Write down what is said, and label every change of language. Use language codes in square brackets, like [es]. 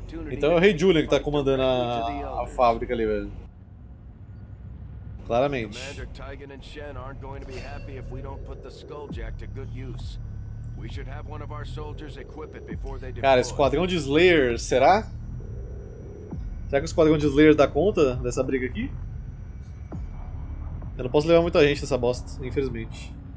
[pt] Então é o Rei Julian que tá comandando a fábrica ali, velho. Claramente. [en] Commander, Tigan and Shen aren't going to be happy if we don't put the Skulljack to good use. We should have one of our soldiers equip it before they deploy. [pt] Cara, esquadrão de Slayer, será? Será que o esquadrão de Slayer dá conta dessa briga aqui? Eu não posso levar muita gente nessa bosta, infelizmente.